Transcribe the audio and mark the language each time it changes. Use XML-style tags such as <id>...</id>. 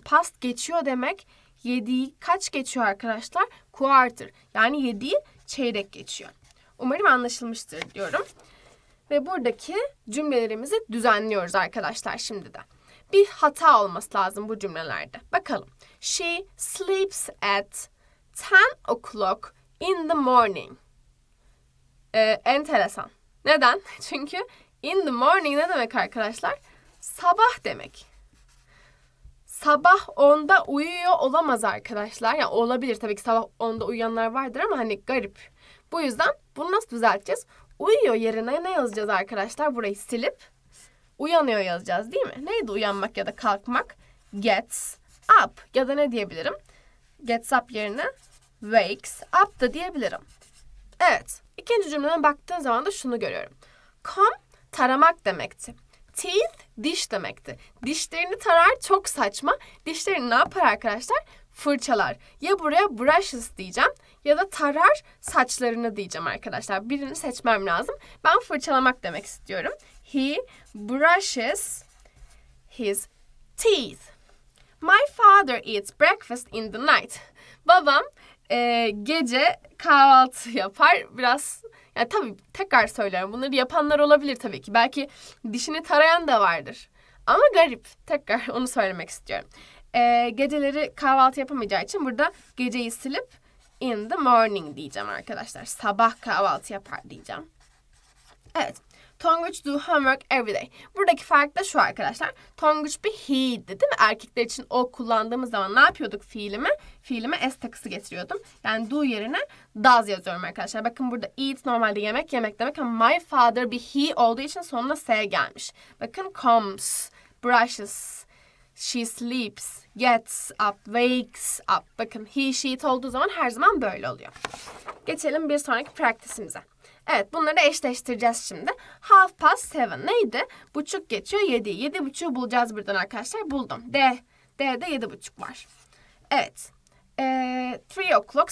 <tr>Past geçiyor demek. 7'yi kaç geçiyor arkadaşlar? Quarter. Yani 7'yi çeyrek geçiyor. Umarım anlaşılmıştır diyorum. Ve buradaki cümlelerimizi düzenliyoruz arkadaşlar şimdi de. Bir hata olması lazım bu cümlelerde. Bakalım.</tr> <en>She sleeps at 10 o'clock in the morning.</en> <tr>Enteresan. Neden? Çünkü</tr> <en>in the morning</en> <tr>ne demek arkadaşlar? Sabah demek. Sabah 10'da uyuyor olamaz arkadaşlar. Yani olabilir tabii ki, sabah 10'da uyuyanlar vardır ama hani garip. Bu yüzden bunu nasıl düzelteceğiz? Uyuyor yerine ne yazacağız arkadaşlar? Burayı silip uyanıyor yazacağız değil mi? Neydi uyanmak ya da kalkmak?</tr> <en>Gets up.</en> <tr>Ya da ne diyebilirim? Gets up yerine</tr> <en>wakes up</en> <tr>da diyebilirim. Evet. İkinci cümleme baktığın zaman da şunu görüyorum. Comb taramak demekti. Teeth diş demekti. Dişlerini tarar, çok saçma. Dişlerini ne yapar arkadaşlar? Fırçalar. Ya buraya</tr> <en>brushes</en> <tr>diyeceğim ya da tarar saçlarını diyeceğim arkadaşlar. Birini seçmem lazım. Ben fırçalamak demek istiyorum.</tr> <en>He brushes his teeth. My father eats breakfast in the night.</en> <tr>Babam gece kahvaltı yapar. Biraz... Yani tabii tekrar söylüyorum. Bunları yapanlar olabilir tabii ki. Belki dişini tarayan da vardır. Ama garip. Tekrar onu söylemek istiyorum. Geceleri kahvaltı yapamayacağı için burada geceyi silip</tr> <en>in the morning</en> <tr>diyeceğim arkadaşlar. Sabah kahvaltı yapar diyeceğim. Evet.</tr> <en>Tonguç do homework every day.</en> <tr>Buradaki fark da şu arkadaşlar. Tonguç bir he'ydi değil mi? Erkekler için o kullandığımız zaman ne yapıyorduk fiilimi? Fiilime s takısı getiriyordum. Yani do yerine does yazıyorum arkadaşlar. Bakın burada eat normalde yemek yemek demek ama</tr> <en>my father</en> <tr>bir he olduğu için sonuna s gelmiş. Bakın</tr> <en>comes, brushes, she sleeps, gets up, wakes up.</en> <tr>Bakın he, she, it olduğu zaman her zaman böyle oluyor. Geçelim bir sonraki</tr> <en>practice'imize.</en> <tr>Evet, bunları da eşleştireceğiz şimdi.</tr> <en>Half past seven</en> <tr>neydi? Buçuk geçiyor 7. 7.30'u bulacağız buradan arkadaşlar. Buldum. D'de 7.30 var. Evet.</tr> <en>3 o'clock.</en>